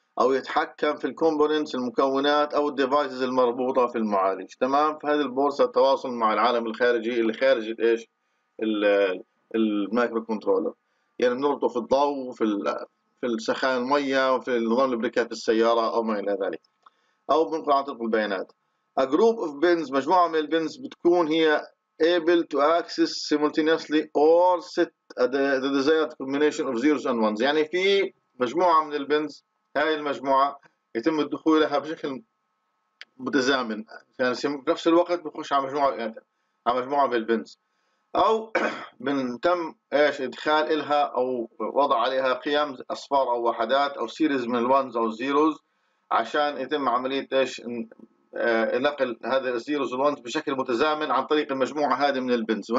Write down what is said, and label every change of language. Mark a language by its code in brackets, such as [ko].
[ar] او يتحكم في الكومبوننتس المكونات او الديفايسز المربوطه في المعالج، تمام؟ فهذه البورصه تواصل مع العالم الخارجي اللي خارج ايش؟ المايكرو كنترولر. يعني بنربطه في الضوء، في سخان الميه، وفي نظام البريكات في السياره او ما الى ذلك. او بنقل عن طريق البيانات. [en] A group of bins، [ar] مجموعه من البنز بتكون هي [en] able to access simultaneously or set the desired combination of zeros and ones. [ar] يعني في مجموعه من البنز، هاي المجموعة يتم الدخول لها بشكل متزامن، يعني في نفس الوقت بخش على مجموعة، يعني على مجموعة من البنز، أو من تم إيش إدخال إلها أو وضع عليها قيم أصفار أو وحدات أو سيريز من الوانز أو الزيروز عشان يتم عملية إيش نقل هذا الزيروز والوانز بشكل متزامن عن طريق المجموعة هذه من البنز.